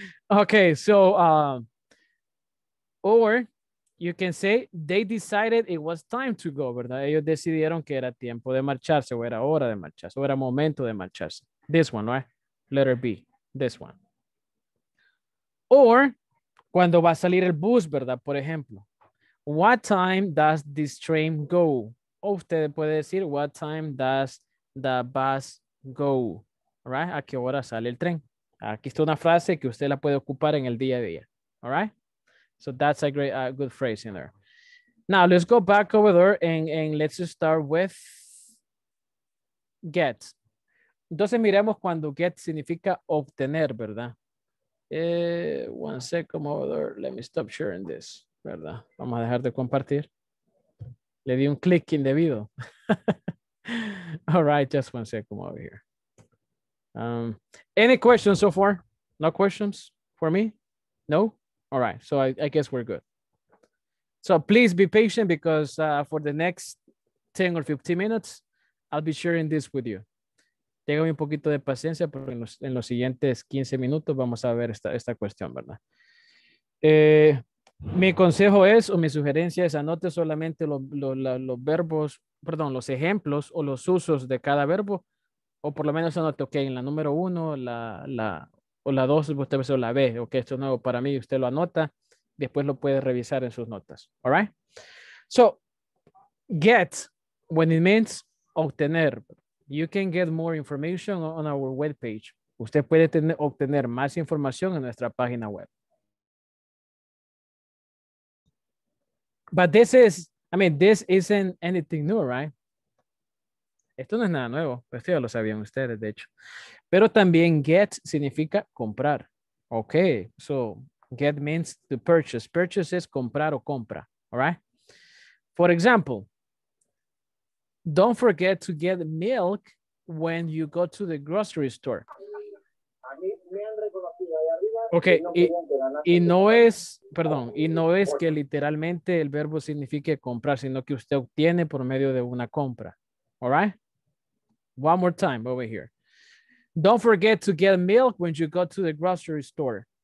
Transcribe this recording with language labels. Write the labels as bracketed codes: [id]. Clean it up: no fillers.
[en] Okay, so, or you can say, they decided it was time to go, ¿verdad? [es] Ellos decidieron que era tiempo de marcharse, o era hora de marcharse, o era momento de marcharse. [en] This one, right? Letter B, this one. Or, [es] cuando va a salir el bus, ¿verdad? Por ejemplo, [en] what time does this train go? [es] O usted puede decir, [en] what time does the bus go? Right? [es] ¿A qué hora sale el tren? Aquí está una frase que usted la puede ocupar en el día a día. [en] All right? So that's a great, good phrase in there. Now, let's go back over there and let's start with get. [es] Entonces, miremos cuando get significa obtener, ¿verdad? [en] One second over there. Let me stop sharing this, ¿verdad? [es] Vamos a dejar de compartir. Le di un click indebido. [en] All right, just one second over here. Any questions so far? No questions for me? No? All right, so I guess we're good. So please be patient because for the next 10 or 15 minutes, I'll be sharing this with you. [es] Téngame un poquito de paciencia porque en los siguientes 15 minutos vamos a ver esta cuestión, ¿verdad? Mi consejo es, o mi sugerencia es, anote solamente los verbos, perdón, los ejemplos o los usos de cada verbo, o por lo menos anote, ok, en la número uno, la dos, usted va a ser la B, ok, esto es nuevo para mí, usted lo anota, después lo puede revisar en sus notas, all right? [en] So, get, when it means obtener, you can get more information on our webpage. [es] Usted puede obtener más información en nuestra página web. [en] but this is, I mean, this isn't anything new, right? [es] Esto no es nada nuevo. Esto ya lo sabían ustedes, de hecho. Pero también get significa comprar. [en] Okay, so get means to purchase. Purchase is comprar o compra, all right? For example, don't forget to get milk when you go to the grocery store. [es] Okay, y no es, perdón, y no es que literalmente el verbo signifique comprar, sino que usted obtiene por medio de una compra. [en] All right? One more time over here. Don't forget to get milk when you go to the grocery store.